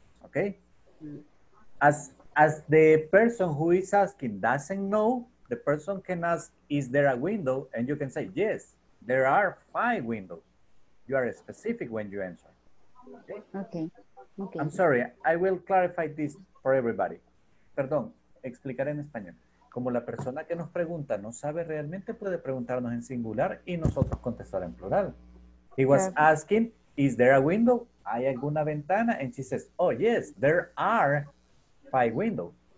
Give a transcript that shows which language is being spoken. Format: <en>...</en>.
<en>Okay, as the person who is asking doesn't know, the person can ask, is there a window? And you can say, yes, there are five windows. You are specific when you answer. Okay. I'm sorry, I will clarify this for everybody.</en> <es>Perdón, explicaré en español. Como la persona que nos pregunta no sabe realmente, puede preguntarnos en singular y nosotros contestar en plural.</es> <en>He was asking, is there a window?</en> <es>¿Hay alguna ventana?</es> <en>And she says, oh yes, there are five windows.</en>